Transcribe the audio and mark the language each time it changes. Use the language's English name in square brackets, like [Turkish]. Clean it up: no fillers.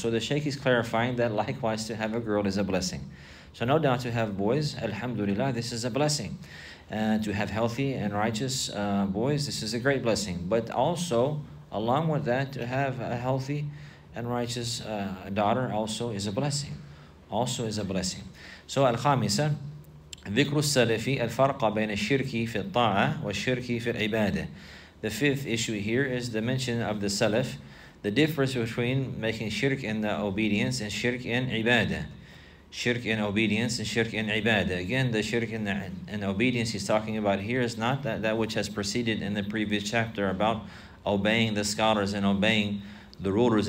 [English] So the Shaykh is clarifying that likewise, to have a girl is a blessing. So no doubt to have boys, alhamdulillah, this is a blessing. To have healthy and righteous boys, this is a great blessing. But also, along with that, to have a healthy and righteous daughter also is a blessing. Also is a blessing. [Arabic] So, الخامسة, ذكر السلفي الفرق بين الشرك في الطاعة والشرك في العبادة. [English] The fifth issue here is the mention of the Salaf, the difference between making shirk in the obedience and shirk in ibadah. Shirk in obedience and shirk in ibadah. Again, the shirk in obedience he's talking about here is not that which has preceded in the previous chapter about obeying the scholars and obeying the rulers.